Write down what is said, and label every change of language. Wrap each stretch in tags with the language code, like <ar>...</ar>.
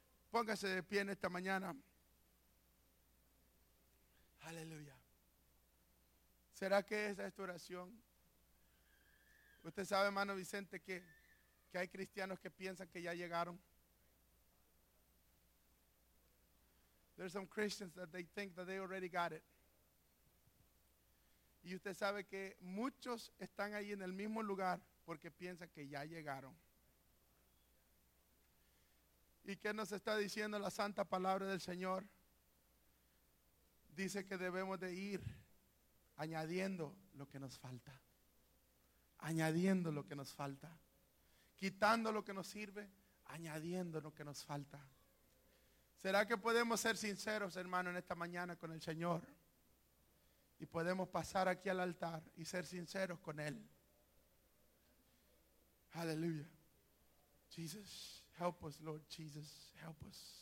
<es>Póngase de pie en esta mañana. Aleluya. ¿Será que esa es tu oración? Usted sabe, hermano Vicente, que hay cristianos que piensan que ya llegaron.</es> <en>There's some Christians that they think that they already got it.</en> <es>Y usted sabe que muchos están ahí en el mismo lugar porque piensan que ya llegaron. ¿Y qué nos está diciendo la santa palabra del Señor? Dice que debemos de ir añadiendo lo que nos falta. Añadiendo lo que nos falta. Quitando lo que nos sirve. Añadiendo lo que nos falta. ¿Será que podemos ser sinceros, hermano, en esta mañana con el Señor? Y podemos pasar aquí al altar y ser sinceros con Él. Aleluya.</es> <en>Jesus, help us, Lord Jesus, help us.</en>